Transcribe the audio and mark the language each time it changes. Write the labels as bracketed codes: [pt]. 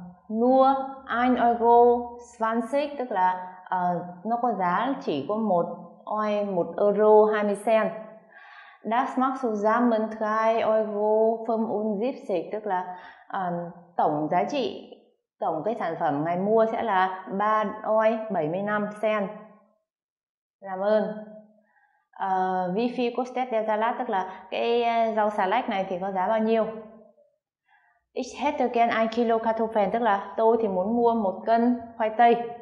[de] Nur 1,20 euro, [vi] tức là nó có giá chỉ có 1 euro 20 cent. [de] Das macht zusammen 2,75 euro, [vi] tức là tổng giá trị, tổng cái sản phẩm ngài mua sẽ là 3,75 euro. Làm ơn. [de] Wie viel kostet der Salat, [vi] tức là cái rau xà lách này thì có giá bao nhiêu? [de] Ich hätte gern 1 kilo Kartoffeln, [vi] tức là tôi thì muốn mua 1 cân khoai tây.